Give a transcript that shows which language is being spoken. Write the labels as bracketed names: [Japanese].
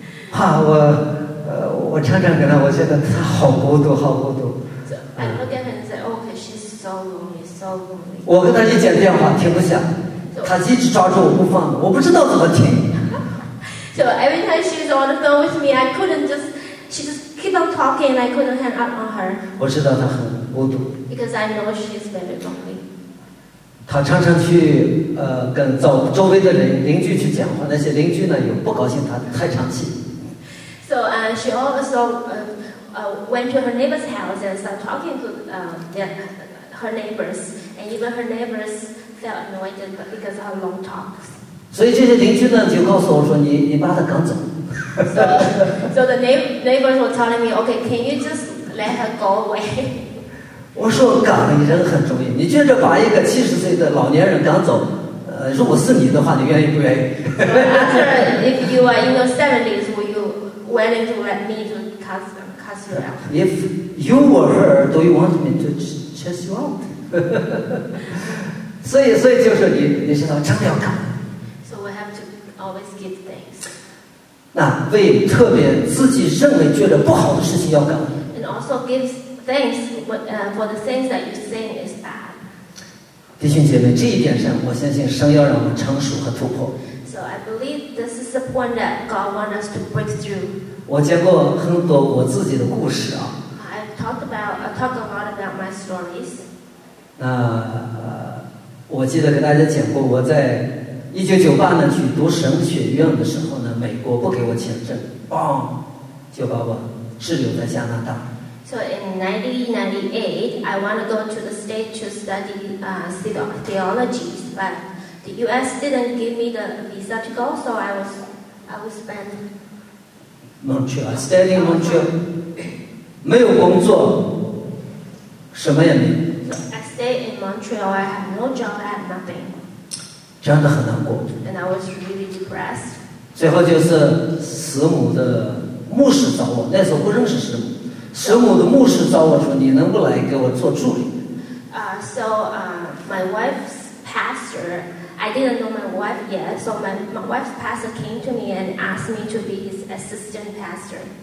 [Chinese] 啊，我常常跟他，我觉得他好孤独，好孤独。 [English] So, I look at her and say, okay, she's so lonely, so lonely. [Chinese] 我跟他一讲电话停不下，他一直抓住我不放，我不知道怎么停。 [English] So, every time she's on the phone with me, she just keep on talking and I couldn't hang up on her. [Chinese] 我知道他很孤独。 [English] Because I know she's very lonely. She often goes to talk to neighbors. Those neighbors are not happy with her. So she also went to her neighbor's house and started talking to her neighbors. And even her neighbors felt annoyed because of her long talks. So these neighbors just told me, "You take him out." So the neighbors were telling me, "Okay, can you just let her go away?" [Chinese] 我说赶人很重要，你觉得把一个70岁的老年人赶走，如果是你的话，你愿意不愿意？ [English] After if you are in your 70s, will you willing to let me to cast you out? If you were her, do you want me to chase you out? [Chinese] 所以就是你知道真的要赶。 [English] So we have to always give thanks. [Chinese] 那为特别自己认为觉得不好的事情要赶。 [English] And also gives thanks. For the things that you're saying is bad. [Chinese] 弟兄姐妹，这一点上，我相信神要让我们成熟和突破。 [English] So I believe this is the point that God wants us to break through. [Chinese] 我讲过很多我自己的故事啊。 [English] I talk a lot about my stories. [Chinese] 那我记得跟大家讲过，我在1998年去读神学院的时候呢，美国不给我签证，嘣，就把我滞留在加拿大。 [English] So in 1998, I want to go to the state to study theology, but the U.S. didn't give me the visa to go, so I was spent. Montreal, studying Montreal, [Chinese] 没有工作，什么也没。 [English] I stayed in Montreal. I have no job. I have nothing. [Chinese] 真的很难过。 [English] And I was really depressed. [Chinese] 最后就是慈母的牧师找我，那时候不认识慈母。神母的牧师找我说：“你能不来给我做助理？” [English] my wife's pastor, I didn't know my wife yet, so my wife's pastor came to me and asked me to be his assistant pastor.